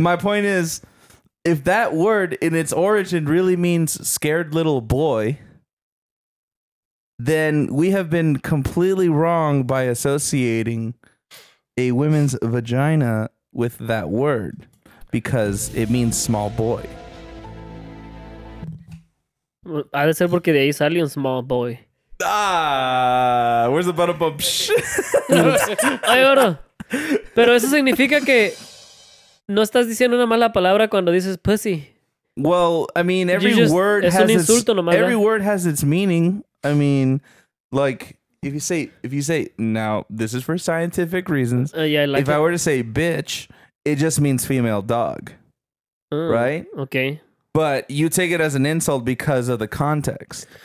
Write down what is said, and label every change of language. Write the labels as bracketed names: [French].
[English] My point is, if that word in its origin really means scared little boy, then we have been completely wrong by associating a women's vagina with that word, because it means small boy. [Spanish] Ha de ser porque de ahí sale un [English] small boy. Ah, where's the butt bump? [Spanish] Ay, bueno. Pero eso significa que no estás diciendo una mala palabra cuando dices pussy. [English] Well, I mean, every word has its meaning. I mean, like, if you say now, this is for scientific reasons. I were to say bitch, it just means female dog. Right? Okay. But you take it as an insult because of the context.